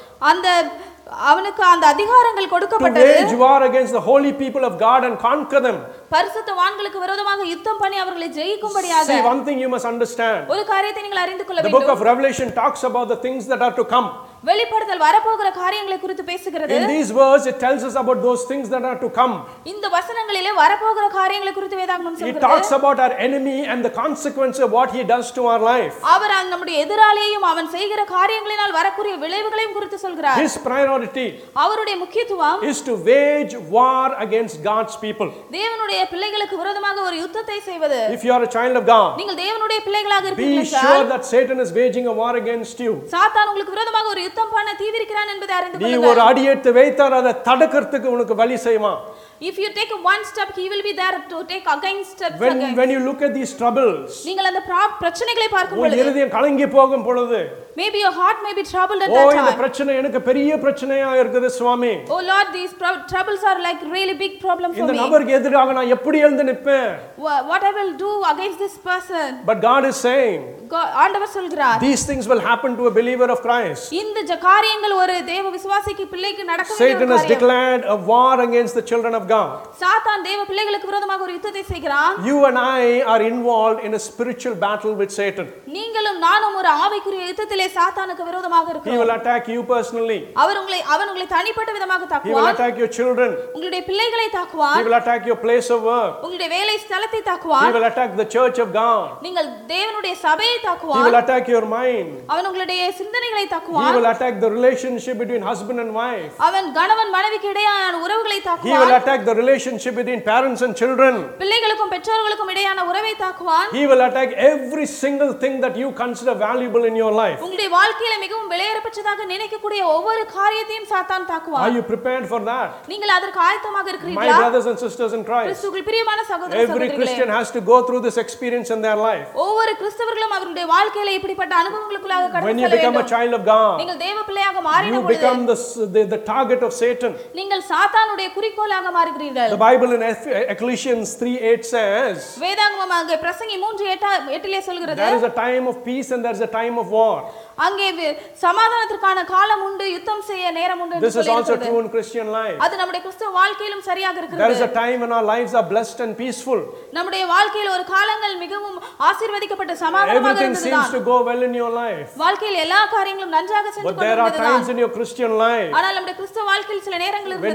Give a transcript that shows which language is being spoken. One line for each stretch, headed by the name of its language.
Tamil: அந்த அவனுக்கு அந்த அதிகாரங்கள் கொடுக்கப்பட்டது பரிசுத்த வான்களுக்கு விரோதமாக யுத்தம் பண்ணி அவர்களை ஜெயிக்கும்படியாக.
English: See, one thing you must understand.
Tamil: ஒரு காரியத்தை நீங்கள் அறிந்து கொள்ள வேண்டும்.
English: The book of Revelation talks about the things that are to come.
Tamil: வெளிப்படுதல் வரப்போகிற காரியங்களை குறித்து பேசுகிறது.
English: In these verses it tells us about those things that are to come.
Tamil: இந்த வசனங்களிலே வரப்போகிற காரியங்களை குறித்து வேதாகமம் சொல்கிறது.
English: It talks about our enemy and the consequence of what he does to our life.
Tamil: அவர் நம்முடைய எதிராளியையும் அவன் செய்கிற காரியங்களினால் வரக்கூடிய விளைவுகளையும் குறித்து சொல்கிறார்.
English: His priority.
Tamil: அவருடைய முக்கியத்துவம்
English: is to wage war against God's people.
Tamil: தேவனுடைய பிள்ளைகளுக்கு விரோதமாக ஒரு யுத்தத்தை செய்வது.
English: If you are a child of God.
Tamil: நீங்கள் தேவனுடைய பிள்ளைகளாக இருக்கிறீர்கள் என்றால்
English: be sure that Satan is waging a war against you.
Tamil: சாத்தான் உங்களுக்கு விரோதமாக ஒரு யுத்தம் பண்ண தீவிரிக்கிறான் என்பதை அறிந்து கொள்ளுங்கள். நீ ஒரு அடி எடுத்து வைத்தால் அதை தடுக்கிறதுக்கு உனக்கு வழி செய்யுமா?
English: If you take one step he will be there to take again step when again. When you look at these troubles
Tamil: நீங்கள் அந்த பிரச்சனைகளை பார்க்கும் பொழுது உங்கள் இதயம் கலங்கி போகும் பொழுது
English: maybe your heart may be troubled at oh, that time
Tamil: oh இந்த பிரச்சனை எனக்கு பெரிய பிரச்சனையா இருக்குது சுவாமி
English: oh lord these troubles are like really big problem for
Tamil: இந்த
English: me
Tamil: இந்த நபருக்கு எதிராக நான் எப்படி எழுந்து நிப்பேன்
English: what I will do against this person but god is saying
Tamil: ஆண்டவர் சொல்கிறார்
English: these things will happen to a believer of christ
Tamil: இந்த ஜகாரியங்கள் ஒரு தேவ விசுவாசிக்கு பிள்ளைக்கு நடக்க வேண்டிய காரியம்
English: Satan has declared a war against the children of God.
Tamil: சாத்தான் தேவ பிள்ளைகளுக்கு விரோதமாக ஒரு யுத்தத்தை செய்கிறான்.
English: You and I are involved in a spiritual battle with Satan.
Tamil: நீங்களும் நானும் ஒரு ஆவிக்குரிய யுத்தத்திலே சாத்தானுக்கு விரோதமாக இருக்கிறோம்.
English: He will attack you personally.
Tamil: அவன் உங்களை தனிப்பட்ட விதமாக தாக்குவான்.
English: He will attack your children.
Tamil: உங்களுடைய பிள்ளைகளை தாக்குவான்.
English: He will attack your place of work.
Tamil: உங்களுடைய வேலை ஸ்தலத்தை தாக்குவான்.
English: He will attack the church of God.
Tamil: நீங்கள் தேவனுடைய சபையை தாக்குவான்.
English: He will attack your mind.
Tamil: அவன் உங்களுடைய சிந்தனைகளை தாக்குவான்.
English: He will attack the relationship between husband and wife.
Tamil: அவன் கணவன் மனைவிக்கு இடையேயான உறவுகளை தாக்குவான்.
English: Attack the relationship between parents and children.
Tamil: பிள்ளைகளுக்கும் பெற்றோர்களுக்கும் இடையான உறவை தாக்குவான்.
English: He will attack every single thing that you consider valuable in your life.
Tamil: உங்களுடைய வாழ்க்கையில மிகவும் விலையேறப்பட்டதாக நினைக்கக்கூடிய ஒவ்வொரு காரியத்தையும் சாத்தான் தாக்குவான்.
English: Are you prepared for that?
Tamil: நீங்கள் அதற்கு ஆயத்தமாக இருக்கிறீர்களா?
English: My brothers and sisters in Christ.
Tamil: கிறிஸ்துவுக்குள் பிரியமான சகோதர சகோதரிகளே.
English: Every Christian has to go through this experience in their life.
Tamil: ஒவ்வொரு கிறிஸ்தவர்களும் அவருடைய வாழ்க்கையில இப்படிப்பட்ட அனுபவங்களுக்குள்ளாக கடந்து செல்ல வேண்டும்.
English: When you become a child of God.
Tamil: நீங்கள் தேவ பிள்ளையாக மாறின பொழுது
English: you become the target of Satan.
Tamil: நீங்கள் சாத்தானுடைய குறிக்கோள்
English: The Bible in Ecclesiastes 3:8 says
Tamil: வேதாகமமாக பிரசங்கி 3:8 லே சொல்கிறது
English: There is a time of peace and there is a time of war.
Tamil: அங்கே சமாதானத்திற்கான காலம் உண்டு யுத்தம் செய்ய நேரம் உண்டு
English: This is also true in Christian life.
Tamil: அது நம்முடைய கிறிஸ்தவ வாழ்க்கையிலும் சரியாக இருக்கிறது
English: There is a time when our lives are blessed and peaceful.
Tamil: நம்முடைய வாழ்க்கையில் ஒரு காலங்கள் மிகவும் ஆசீர்வதிக்கப்பட்ட சமாதானமாக இருக்கிறது
English: Everything seems to go well in your life.
Tamil: வாழ்க்கையில் எல்லா காரியங்களும் நன்றாக சென்று கொண்டிருக்கிறது
English: But there are times in your Christian life.
Tamil: ஆனால் நம்முடைய கிறிஸ்தவ வாழ்க்கையில் சில நேரங்கள் இருக்கிறது